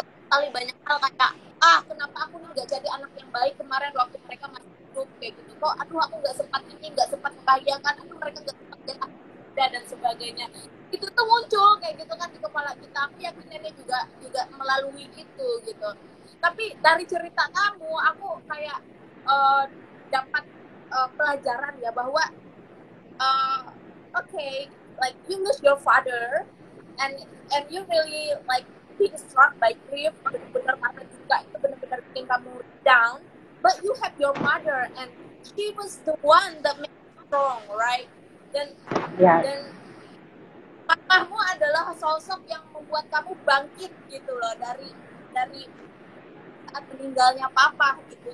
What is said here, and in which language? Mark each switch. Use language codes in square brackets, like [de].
[id] menyesali banyak hal, kayak ah kenapa aku nih nggak jadi anak yang baik kemarin waktu mereka masih hidup kayak gitu, kok aduh aku nggak sempat ini, nggak sempat membahagiakan, aduh mereka nggak sempat ya, dan sebagainya. Itu tuh muncul kayak gitu kan di kepala kita. Aku yakin nenek juga melalui itu gitu. Tapi dari cerita kamu aku kayak dapat pelajaran ya, bahwa [en] okay, like you lose your father and you really like being struck by grief, [id] benar-benar karena juga itu benar-benar bikin kamu down, [en] but you have your mother and she was the one that made you strong, right? [id] Dan mamamu adalah sosok yang membuat kamu bangkit gitu loh, dari saat meninggalnya papa gitu.